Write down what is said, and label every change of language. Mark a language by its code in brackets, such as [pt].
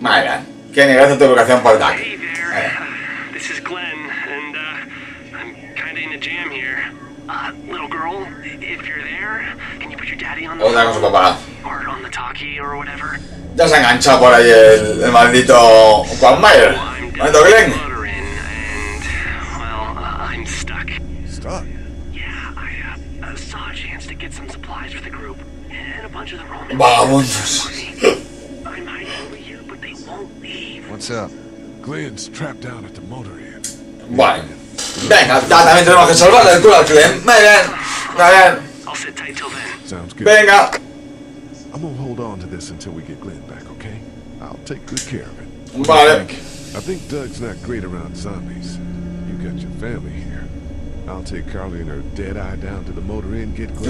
[es] Mira, Kenny, gracias a tu vocación por Doc. [en] This is Glenn, and I'm kinda in a jam here. Little girl, if you're there, can you put your daddy on the phone? Or on the talkie or whatever. [es] Ya se ha enganchado por ahí el maldito Juan Mayer. Maldito Glenn. [en] And, well, I'm stuck. Stuck? Yeah, I saw a chance to get some supplies for the group. And a bunch of the Romans. [es] Vamos. [en] I might be here, but they won't leave. What's up? Glenn's trapped down at the motor inn. [es] Bueno, venga, ya también tenemos que salvarle el culo al Glenn. Muy bien, muy bien. [en] Sounds good. [es] Venga. [en] I'm gonna hold on to this until we get Glenn back, okay? I'll take good care of it. [es] Vale. [en] I think Doug's not great around zombies. You got your family here. I'll take Carly and her dead eye down to the motor inn, get Glenn.